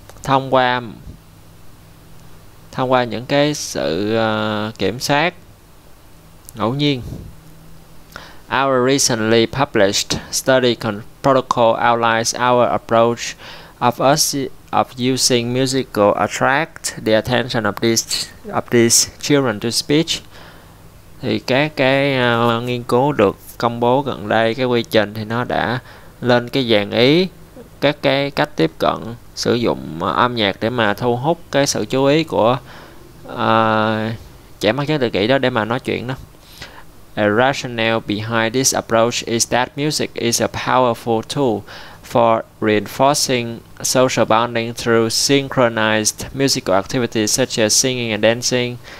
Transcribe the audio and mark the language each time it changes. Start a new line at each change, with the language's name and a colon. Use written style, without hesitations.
Vietnamese: Thông qua những cái sự kiểm soát ngẫu nhiên.
English: Our recently published study protocol outlines our approach of using musical attract the attention of these children to speech.
Vietnamese: Thì các cái nghiên cứu được công bố gần đây, cái quy trình thì nó đã lên cái dàn ý các cái cách tiếp cận sử dụng âm nhạc để mà thu hút cái sự chú ý của trẻ mắc chứng tự kỷ đó để mà nói chuyện đó.
English: A rationale behind this approach is that music is a powerful tool for reinforcing social bonding through synchronized musical activities such as singing and dancing.